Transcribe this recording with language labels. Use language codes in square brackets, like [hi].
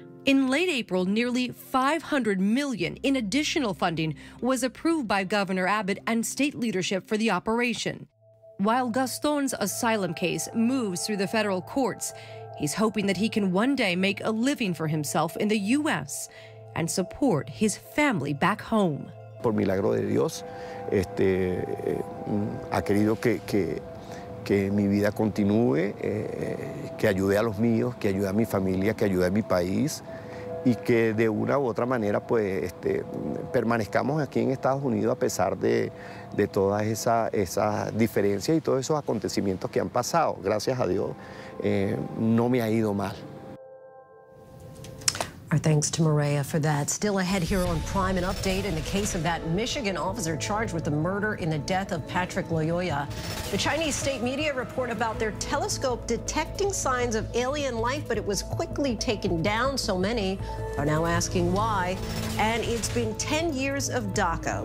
[en] In late April, nearly $500 million in additional funding was approved by Governor Abbott and state leadership for the operation. While Gaston's asylum case moves through the federal courts, he's hoping that he can one day make a living for himself in the U.S. and support his family back home. [es] por milagro de Dios, ha querido que mi vida continúe, que ayude a los míos, que ayude a mi familia, que ayude a mi país y que de una u otra manera pues, permanezcamos aquí en Estados Unidos a pesar de todas esas diferencias y todos esos acontecimientos que han pasado. Gracias a Dios, no me ha ido mal. [en] Our thanks to Maria for that. Still ahead here on Prime, an update in the case of that Michigan officer charged with the murder in the death of Patrick Loyola. The Chinese state media report about their telescope detecting signs of alien life, but it was quickly taken down. So many are now asking why. And it's been 10 years of DACA.